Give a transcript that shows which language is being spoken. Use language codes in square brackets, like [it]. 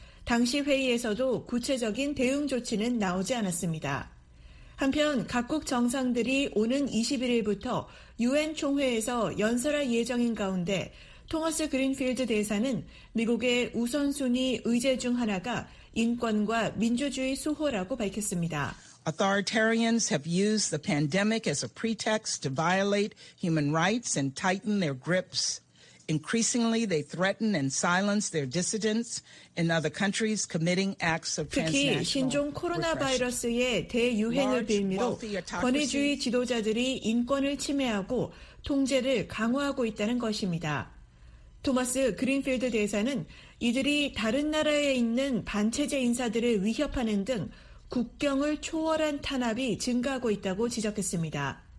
[ko] 당시 회의에서도 구체적인 대응 조치는 나오지 않았습니다. 한편 각국 정상들이 오는 21일부터 유엔 총회에서 연설할 예정인 가운데 토머스 그린필드 대사는 미국의 우선순위 의제 중 하나가 인권과 민주주의 수호라고 밝혔습니다. [en] Authoritarians have used the pandemic as a pretext to violate human rights and tighten their grips. Increasingly, they threaten and silence their dissidents in other countries, committing acts of transnational oppression. [ko] 특히 신종 코로나 바이러스의 대유행을 빌미로 권위주의 지도자들이 인권을 침해하고 통제를 강화하고 있다는 것입니다. 토마스 그린필드 대사는 이들이 다른 나라에 있는 반체제 인사들을 위협하는 등 국경을 초월한 탄압이 증가하고 있다고 지적했습니다.